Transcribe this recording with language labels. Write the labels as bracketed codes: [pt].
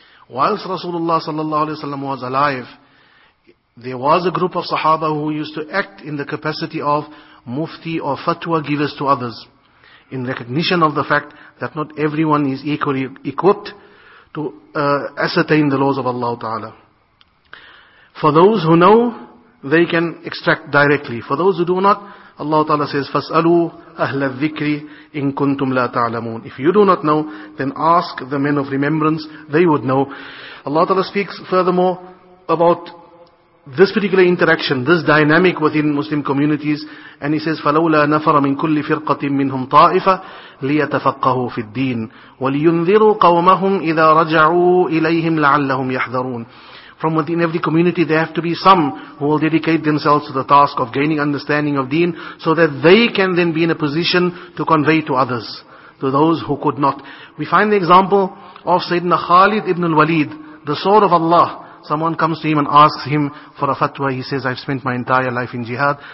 [en] Whilst Rasulullah sallallahu alayhi wa sallam was alive, there was a group of Sahaba who used to act in the capacity of mufti or fatwa givers to others, in recognition of the fact that not everyone is equally equipped to ascertain the laws of Allah Ta'ala. For those who know, they can extract directly. For those who do not, Allah Ta'ala says, [ar] فَاسْأَلُوا أَهْلَ الذِّكْرِ إِن كُنْتُمْ لَا تَعْلَمُونَ. [en] If you do not know, then ask the men of remembrance, they would know. Allah Ta'ala speaks furthermore about this particular interaction, this dynamic within Muslim communities, and he says, [ar] فَلَوْلَا نَفَرَ مِنْ كُلِّ فِرْقَةٍ مِّنْهُمْ طَائِفَةً لِيَتَفَقَّهُوا فِي الدِّينِ وَلِيُنذِرُوا قَوْمَهُمْ إِذَا رَجَعُوا إِلَيْهِمْ لَعَلَّهُمْ يَحْذَرُونَ. [en] From within every community, there have to be some who will dedicate themselves to the task of gaining understanding of deen, so that they can then be in a position to convey to others, to those who could not. We find the example of Sayyidina Khalid ibn al-Walid, the sword of Allah. Someone comes to him and asks him for a fatwa. He says, I've spent my entire life in jihad.